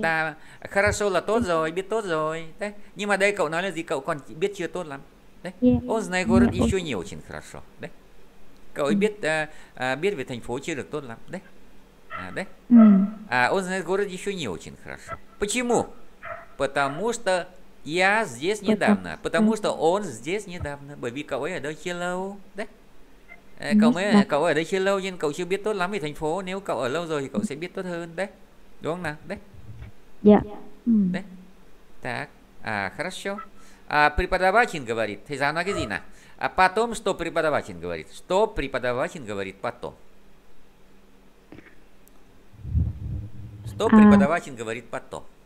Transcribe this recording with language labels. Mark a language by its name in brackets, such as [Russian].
[Vietnamese] ta хорошо là тốt rồi, biết тốt rồi. [Russian] Да? [Vietnamese] Nhưng mà đây cậu nói là gì? Cậu còn biết chưa tốt lắm. [Russian] Đấy. Он знает город ô еще не очень хорошо. Đấy. [Vietnamese] Cậu ấy biết biết về thành phố chưa được tốt lắm. Đấy. À, đấy. [Russian] À, он знает город еще не очень хорошо. Почему? Потому что я здесь Потому недавно. что Потому что он здесь недавно. [Vietnamese] Bởi vì cậu ấy ở đây chưa lâu. Đấy. Cậu Miss mới cậu ở đây chưa lâu nên cậu chưa biết tốt lắm về thành phố. Nếu cậu ở lâu rồi thì cậu sẽ biết tốt hơn đấy, đúng không nào? Đấy, так. À, хорошо. À, [Russian] преподаватель говорит, [Vietnamese] thầy giáo nói cái gì nào? [Russian] À, потом что преподаватель говорит? Что преподаватель говорит потом? Что преподаватель говорит потом?